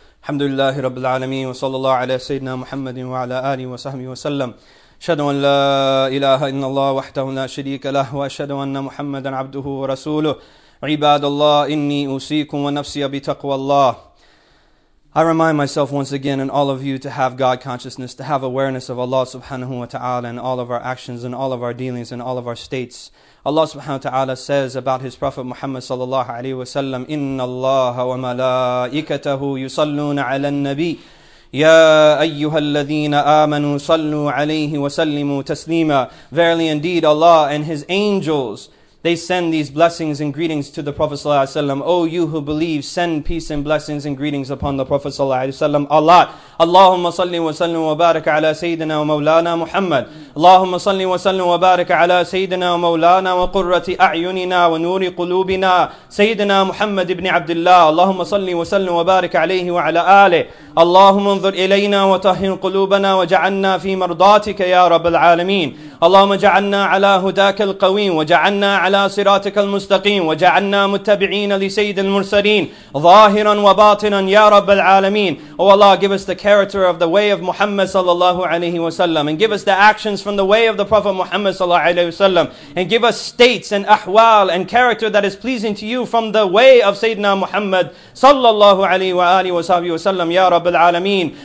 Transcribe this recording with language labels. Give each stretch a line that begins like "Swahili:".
Arabic: الحمد لله رب العالمين وصلى الله على سيدنا محمد وعلى آله وصحبه وسلم أشهد أن لا إله إلا الله وحده لا شريك له وأشهد أن محمدا عبده ورسوله عباد الله إني أوصيكم ونفسي بتقوى الله
English: I remind myself once again and all of you to have God consciousness, to have awareness of Allah subhanahu wa ta'ala and all of our actions and all of our dealings and all of our states. Allah subhanahu wa ta'ala says about His Prophet Muhammad sallallahu alayhi wa sallam,
Arabic: إِنَّ اللَّهَ وَمَلَائِكَتَهُ يُصَلُّونَ عَلَى النَّبِيِّ يَا أَيُّهَا الَّذِينَ آمَنُوا صَلُّوا عَلَيْهِ وَسَلِّمُوا تَسْلِيمًا.
English: Verily indeed Allah and His angels, they send these blessings and greetings to the Prophet sallallahu alaihi wasallam. O you who believe, send peace and blessings and greetings upon the Prophet sallallahu alaihi wasallam.
Arabic: Allah, Allahumma salli wa sallim wa barik ala sayyidina wa mawlana Muhammad. Allahumma salli wa sallim wa barik ala sayyidina wa mawlana wa qurrati a'yunina wa nuri qulubina sayyidina Muhammad ibn Abdullah. Allahumma salli wa sallim wa barik alayhi wa ala alihi. Allahumma anzur ilayna wa tahhin qulubana wa ja'alna fi mardatika ya rabbal alamin. اللهم جعلنا على هداك القويم وجعلنا على صراطك المستقيم وجعلنا متبعين لسيد المرسلين ظاهرا وباطنا يا رب العالمين.
English: Oh Allah, give us the character of the way of Muhammad sallallahu alayhi wa sallam, and give us the actions from the way of the Prophet Muhammad sallallahu alayhi wa sallam, and give us states and ahwal and character that is pleasing to you from the way of Sayyidina Muhammad sallallahu alayhi wa alihi wa sahbihi wa sallam ya rab al alamin.